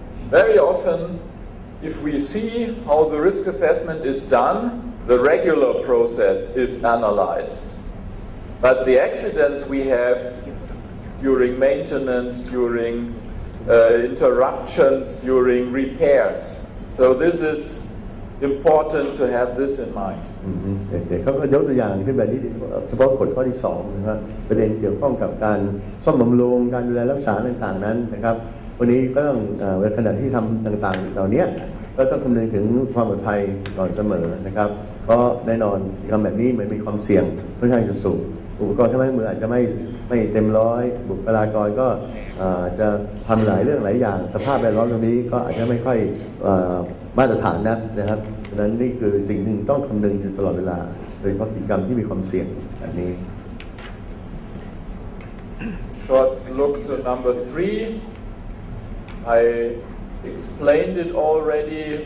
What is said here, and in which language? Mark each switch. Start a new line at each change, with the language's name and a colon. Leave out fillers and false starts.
English: Very often if we see how the risk assessment is done, the regular process is analyzed. But the accidents we have during maintenance, during interruptions, during repairs. So this is important to have this in mind. Mm-hmm. Okay.
Thai: เขาก็ยกตัวอย่างขึ้นแบบนี้เฉพาะกฎข้อที่สองนะครับประเด็นเกี่ยวข้องกับการซ่อมบำรุงการดูแลรักษาต่างๆนั้นนะครับวันนี้ก็ต้องในขณะที่ทำต่างๆเหล่านี้ก็ต้องคำนึงถึงความปลอดภัยก่อนเสมอนะครับเพราะแน่นอนการแบบนี้มันมีความเสี่ยงค่อนข้างจะสูง อุปกรณ์ทำให้มืออาจจะไม่เต็มร้อยบุคลากรก็จะทำหลายเรื่องหลายอย่างสภาพแวดล้อมตรงนี้ก็อาจจะไม่ค่อยมาตรฐานนักนะครับฉะนั้นนี่คือสิ่งหนึ่งต้องคำนึงอยู่ตลอดเวลาโดยเฉพาะกิจกรรมที่มีความเสี่ยงอันนี้
English: Short look to number 3 I explained it already.